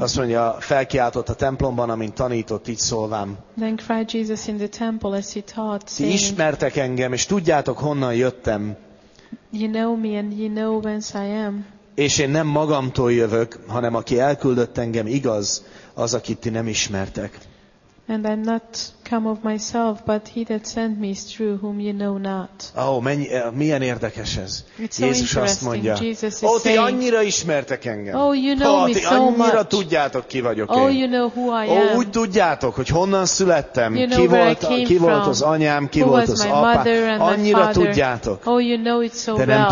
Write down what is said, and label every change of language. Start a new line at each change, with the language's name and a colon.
Hungarian: Azt mondja, felkiáltott a templomban, amint tanított, így szólván.
English: Then cried Jesus in the temple as he taught.
Hungarian: Ti ismertek engem, és tudjátok, honnan jöttem.
English: You know me and you know whence I am.
Hungarian: És én nem magamtól jövök, hanem aki elküldött engem, igaz, az, akit ti nem ismertek.
English: And I'm not come of myself, but he that sent me is true, whom you know not.
Hungarian: Oh, milyen érdekes ez.
English: It's so interesting.
Hungarian: Azt mondja,
English: Jesus is saying,
Hungarian: ti annyira ismertek engem.
English: Oh, you know me so much.
Hungarian: Ti annyira tudjátok, ki vagyok én.
English: Oh, you know who I am.
Hungarian: Oh, úgy tudjátok, hogy honnan születtem,
English: you know
Hungarian: ki, volt,
English: where I came
Hungarian: ki volt az anyám, ki
English: who
Hungarian: volt az apám.
English: Mother and
Hungarian: annyira
English: my father.
Hungarian: Tudjátok.
English: Oh, you know it so
Hungarian: de nem
English: well.